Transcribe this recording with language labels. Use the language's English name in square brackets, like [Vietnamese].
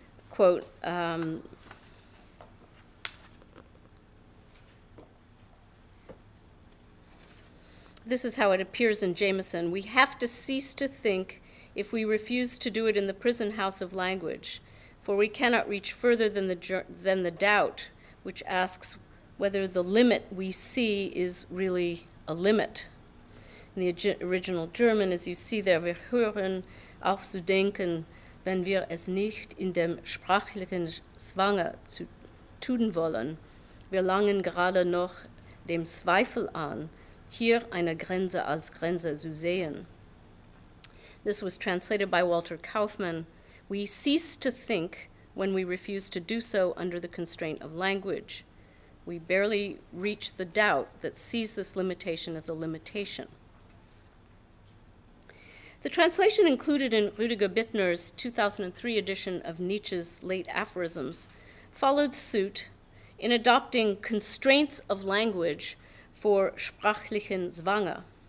[English] Quote, this is how it appears in Jameson. We have to cease to think if we refuse to do it in the prison house of language, for we cannot reach further than the doubt, which asks whether the limit we see is really a limit. In the original German, as you see there, [German] wir hören auf zu denken, wenn wir es nicht in dem sprachlichen Zwange zu tun wollen, wir langen gerade noch dem Zweifel an, hier eine Grenze als Grenze zu sehen. [English] This was translated by Walter Kaufmann. We cease to think when we refuse to do so under the constraint of language. We barely reach the doubt that sees this limitation as a limitation. The translation included in Rüdiger Bittner's 2003 edition of Nietzsche's Late Aphorisms followed suit in adopting constraints of language for sprachlichen Zwange.